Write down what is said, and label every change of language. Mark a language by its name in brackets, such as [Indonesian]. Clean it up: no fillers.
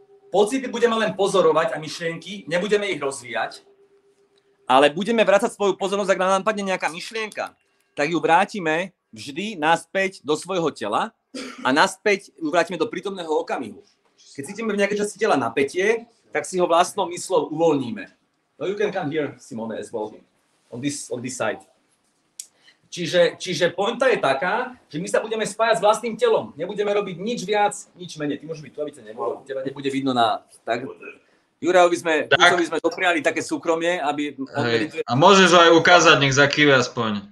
[Slovak] Pocity budeme len pozorovať a myšlienky, nebudeme ich rozvíjať, ale budeme vrácať svoju pozornosť, ak nám napadne nejaká myšlienka, tak ju vrátime vždy naspäť do svojho tela a naspäť ju vrátime do prítomného okamihu. Keď cítime v nejakej časti tela napätie, tak si ho vlastnou mysľou uvoľníme. [English] No you can come here, Simone, as well, on this side. [Slovak] Čiže pointa je taká, že my sa budeme spájať s vlastným telom. Nebudeme robiť nič viac, nič menej. Ty môžeš byť tu, aby ťa nebolo. Teba nebude vidno na... Tak, Jurajovi sme, sme dopriali také súkromie, aby... Hej. A môžeš ho aj ukázať, nech zakýve aspoň.